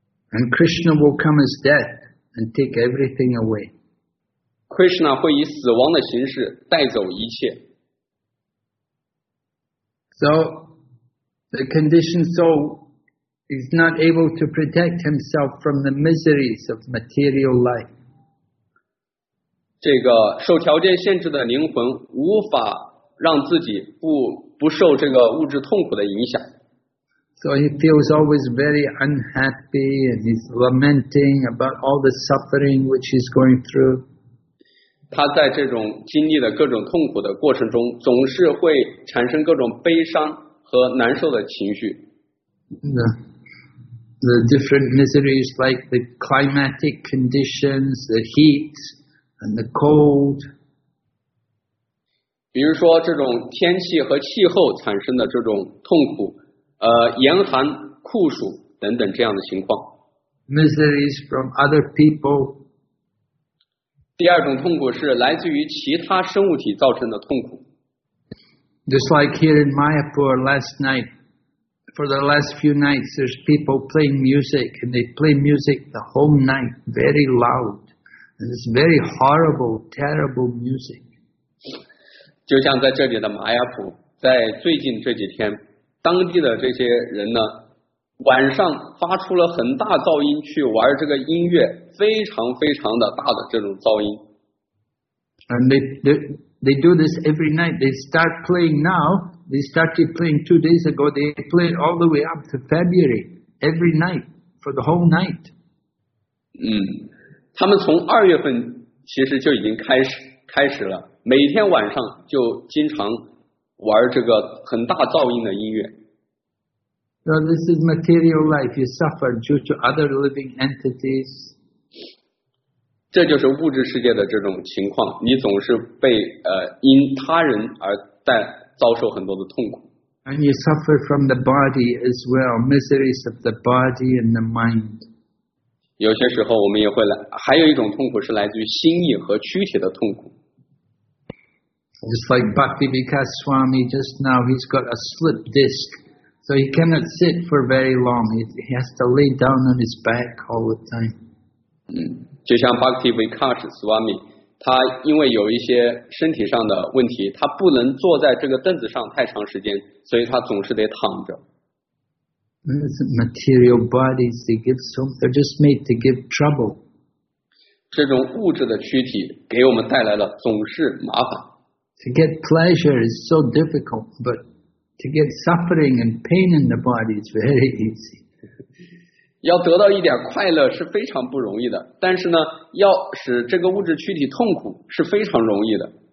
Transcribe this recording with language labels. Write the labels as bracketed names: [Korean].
[English] And Krishna will come as death and take everything away. [Chinese] Krishna 会以死亡的形式带走一切。 [English] So, the conditioned soul is not able to protect himself from the miseries of material life. [Chinese] 这个受条件限制的灵魂无法让自己不受这个物质痛苦的影响。 [English] So he feels always very unhappy and he's lamenting about all the suffering which he's going through. [Chinese] 他在这种经历的各种痛苦的过程中总是会产生各种悲伤和难受的情绪。 [English] The different miseries like the climatic conditions, the heat and the cold. [Chinese] 比如说这种天气和气候产生的这种痛苦。严寒、酷暑等等这样的情况。 [English] Miseries from other people. [Chinese] 第二种痛苦是来自于其他生物体造成的痛苦。 [English] Just like here in Mayapur last night, for the last few nights, there's people playing music, and they play music the whole night, very loud. And it's very horrible, terrible music. [Chinese] 就像在这里的玛雅普，在最近这几天，当地的这些人呢，晚上发出了很大噪音去玩这个音乐，非常非常的大的这种噪音。 [English] And they do this every night. They start playing now. They started playing 2 days ago. They play all the way up to February every night for the whole night. [Chinese] 他们从二月份其实就已经开始了，每天晚上就经常玩这个很大噪音的音乐。 [English] So this is material life. You suffer due to other living entities. [Chinese] 这就是物质世界的这种情况，你总是被因他人而在遭受很多的痛苦。 [English] And you suffer from the body as well, miseries of the body and the mind. [Chinese] 有些时候我们也会来，还有一种痛苦是来自于心意和躯体的痛苦。 [English] Just like Bhakti Vikas Swami just now, he's got a slip disc. So he cannot sit for very long. He has to lay down on his back all the time. [Chinese] 就像 Bhakti Vikas Swami, 他因为有一些身体上的问题，他不能坐在这个凳子上太长时间，所以他总是得躺着。 [English] It's material bodies, they give so much. They're just made to give trouble. [Chinese] 这种物质的躯体给我们带来了总是麻烦。 [English] To get pleasure is so difficult, but to get suffering and pain in the body is very easy. [Chinese] 要得到一点快乐是非常不容易的，但是呢，要使这个物质躯体痛苦是非常容易的。